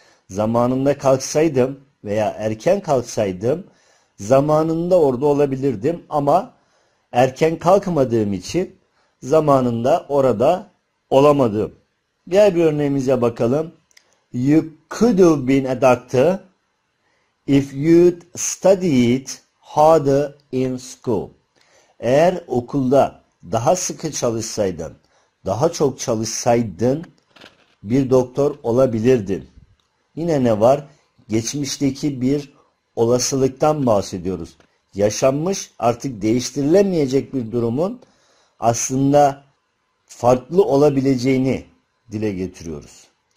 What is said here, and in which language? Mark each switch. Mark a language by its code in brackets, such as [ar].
[tr] Zamanında kalksaydım veya erken kalksaydım zamanında orada olabilirdim ama erken kalkmadığım için zamanında orada olamadım. Gel bir örneğimize bakalım. [en] You could have been a doctor if you'd studied harder in school. [tr] Eğer okulda daha sıkı çalışsaydın, daha çok çalışsaydın bir doktor olabilirdin. Yine ne var? Geçmişteki bir olasılıktan bahsediyoruz. Yaşanmış, artık değiştirilemeyecek bir durumun aslında farklı olabileceğini dile getiriyoruz.